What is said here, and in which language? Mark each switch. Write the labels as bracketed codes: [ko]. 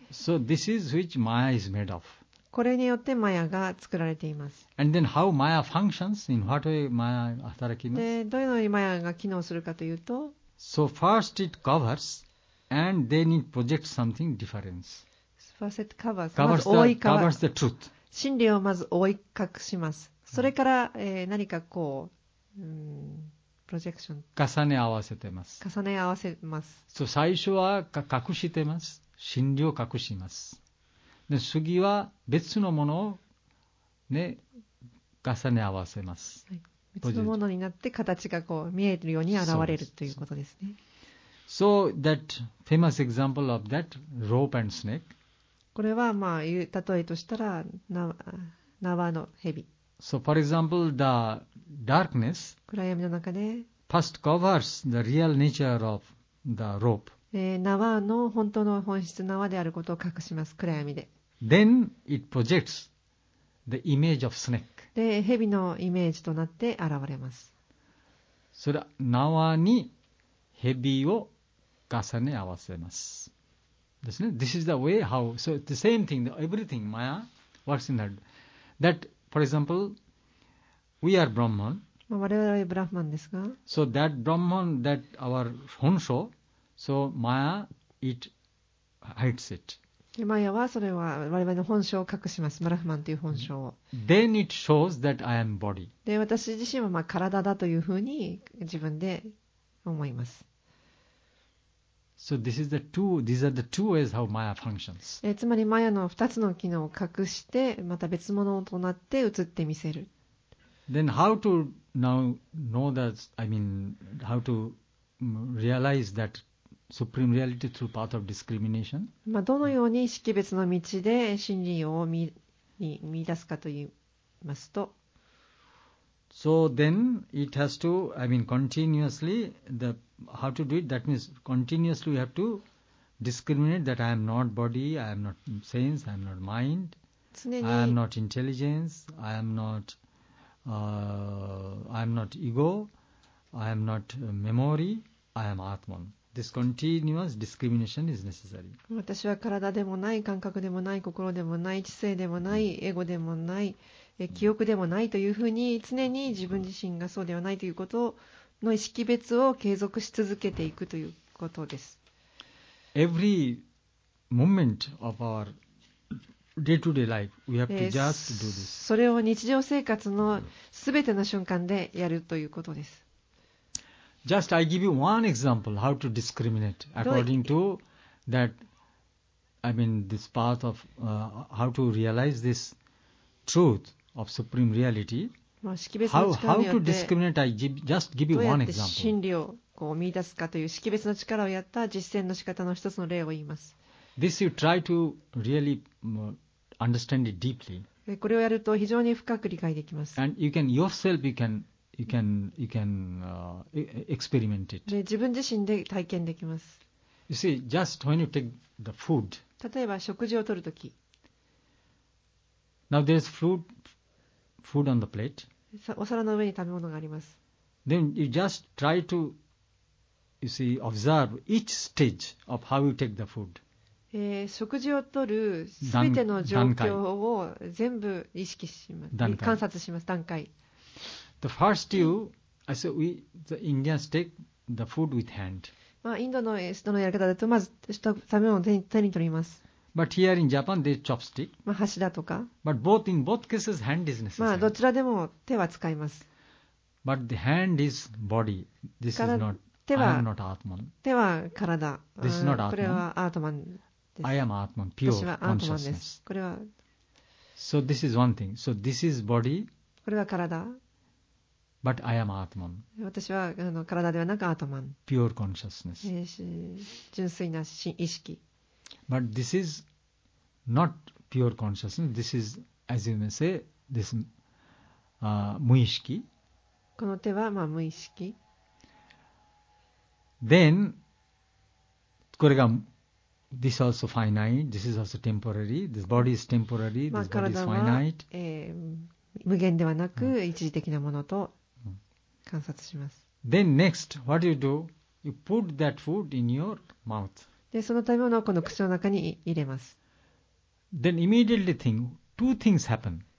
[en] So this is which Maya is made of. [ja] これによってマヤが作られています。 [en] And then how Maya functions? In what way Maya [ja] 働きます？で、どのようにマヤが機能するかというと、 [en] So first it covers, and then it projects something different. First it covers. [ja] まず覆い [en] cover. Covers the truth. [ja] 真理をまず覆い隠します。それから、何かこう、プロジェクション。重ね合わせてます。重ね合わせます。そう、最初は隠してます。真理を隠します。で、次は別のものを、ね、重ね合わせます、はい。別のものになって形がこう見えるように現れるということですね。そう、 [en] that famous example of that rope and snake. [ja] これはまあ例えとしたら縄の蛇。 [en] So for example, the darkness [ja] 暗闇の中で [en] first covers the real nature of the rope. [ja] 縄の本当の本質、縄であることを隠します、暗闇で。 [en] Then it projects the image of snake. [ja] で、蛇のイメージとなって現れます。それは縄に蛇を重ね合わせます。ですね、 [en] this is the way how, so the same thing, everything Maya works in that. That, for example, we are Brahman. [ja] 我々はブラフマンですが。 [en] So that Brahman, that our 本性, so Maya, it hides it. [ja] Maya はそれは我々の本性を隠します。ブラフマンという本性を。 [en] Then it shows that I am body. [ja] で、私自身はまあ体だというふうに自分で思います。 [en] So this is the two. These are the two ways how Maya functions. [ja] つまりマヤの2つの機能を隠して、また別物となって映ってみせる。 [en] Then how to now know that? I mean, how to realize that supreme reality through path of discrimination? [ja] まあどのように識別の道で真理を見出すかと言いますと、 [en] So then it has to, I mean, continuously the. How to do it? That means continuously we have to discriminate that I am not body, I am not sense, I am not mind. I am not intelligence, I am not ego, I am not memory, I am Atman. This continuous discrimination is necessary. [ja] 私は体でもない、感覚でもない、心でもない、知性でもない、エゴでもない、記憶でもないというふうに常に自分自身がそうではないということの意識別を継続し続けていくということです。 [en] Every moment of our day to day life, we have to just do this. [ja] それを日常生活のすべての瞬間でやるということです。 [en] Just I give you one example how to discriminate according to that, I mean this path of how to realize this truth of supreme reality. How to discriminate? I give, just give you one example. [ja] 真理をこう見出すかという識別の力をやった実践の仕方の一つの例を言います。 [en] This you try to really understand it deeply. [ja] これをやると非常に深く理解できます。 [en] And you can yourself you can experiment it. [ja] 自分自身で体験できます。 [en] You see, just when you take the food. [ja] 例えば食事を取るとき。 [en] Now there's food on the plate. [ja] お皿の上に食べ物があります。 [en] Then you just try to, you see, observe each stage of how you take the food. [ja] 食事を取るすべての状況を全部意識します。観察します。段階。 [en] The first you, I said, we, the Indians take the food with hand. [ja] まあ、インドの人のやり方だと、まず食べ物を手に取ります。 [en] But here in Japan, they chopstick. [ja] まあ、箸だとか。 [en] But both, in both cases, hand is necessary. [ja] まあ、どちらでも手は使います。 [en] But the hand is body. This is not... [ja] 手は体。 [en] This is not Atman. [ja] これはアートマンです。 [en] I am Atman, pure consciousness. [ja] これは。 [en] So this is one thing. So this is body. [ja] これは体。 [en] But I am Atman. [ja] 私は体ではなくアートマン。 [en] Pure consciousness. [ja] 純粋な意識。 [en] But this is not pure consciousness. This is, as you may say, this, 無意識。 [ja] この手は、まあ、無意識。 [en] Then, [ja] これが、 [en] this also finite, this is also temporary, this body is temporary, this body is finite. [ja] 体は、無限ではなく、一時的なものと観察します。 [en] Then next, what do you do? You put that food in your mouth. [ja] で、その食べ物をこの口の中に入れます。 [en] Then immediately think, two things happen.